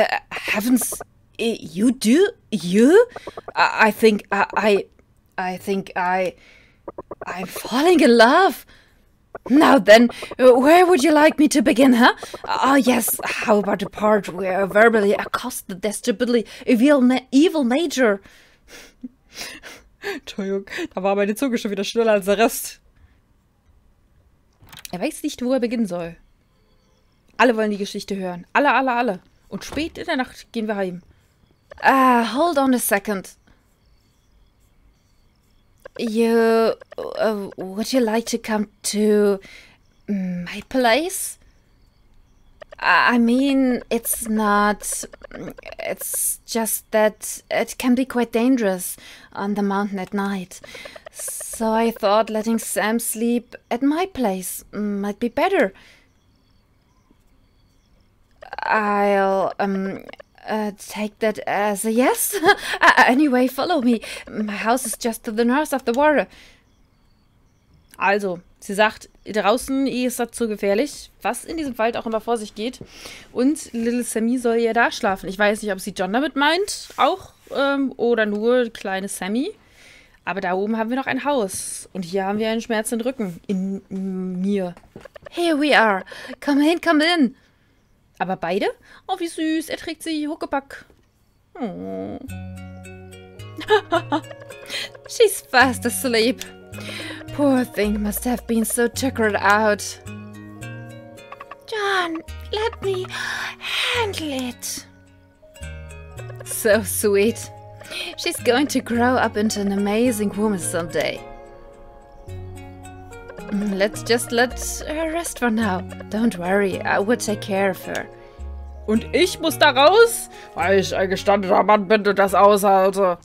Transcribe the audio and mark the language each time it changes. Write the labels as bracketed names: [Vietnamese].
[English] Heavens. You do? You? I'm falling in love. Now then, where would you like me to begin, huh? Oh yes, how about the part where I verbally accost the desperately evil major? [German] Entschuldigung, da war meine Zunge schon wieder schneller als der Rest. Er weiß nicht, wo er beginnen soll. Alle wollen die Geschichte hören. Alle. Und spät in der Nacht gehen wir heim. [English] Hold on a second. Would you like to come to my place? I mean, it's just that it can be quite dangerous on the mountain at night. So I thought letting Sam sleep at my place might be better. I'll take that as a yes. Anyway, follow me. My house is just to the north of the water. [German] Also, sie sagt, draußen ist das zu gefährlich, was in diesem Wald auch immer vor sich geht. Und Little Sammy soll ja da schlafen. Ich weiß nicht, ob sie John damit meint, auch, oder nur kleine Sammy. Aber da oben haben wir noch ein Haus. Und hier haben wir einen schmerzenden Rücken. In mir. [English] Here we are. Come in, come in. [German] Aber beide? Oh, wie süß, er trägt sie Huckepack. [English] Oh. She's fast asleep. Poor thing must have been so tuckered out. John, let me handle it. So sweet. She's going to grow up into an amazing woman someday. Let's just let her rest for now. Don't worry, I will take care of her. [German] Und ich muss da raus? Weil ich ein gestandener Mann bin und das aushalte.